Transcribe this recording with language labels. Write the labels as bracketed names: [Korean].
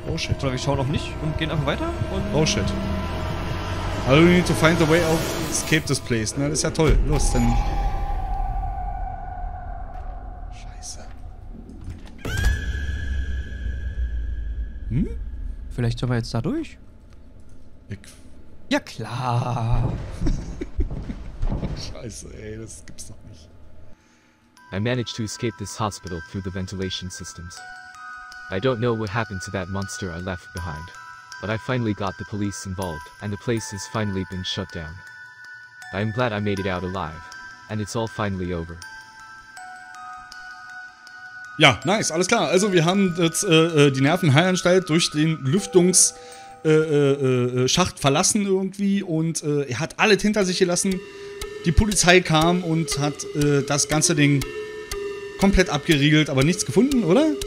[German] Oder wir schauen auch nicht und gehen einfach weiter und. [English] Oh shit. Also we need to find a way of escape this place. [German] Na, das ist ja toll. Los, dann. Vielleicht sollen wir jetzt da durch? Ja, klar! Scheiße, ey, das gibt's doch nicht. [English] I managed to escape this hospital through the ventilation systems. I don't know what happened to that monster I left behind, but I finally got the police involved, and the place has finally been shut down. I'm glad I made it out alive, and it's all finally over. [German] Ja, nice, alles klar. Also wir haben jetzt die Nervenheilanstalt durch den Lüftungsschacht verlassen irgendwie und er hat alles hinter sich gelassen. Die Polizei kam und hat das ganze Ding komplett abgeriegelt, aber nichts gefunden, oder?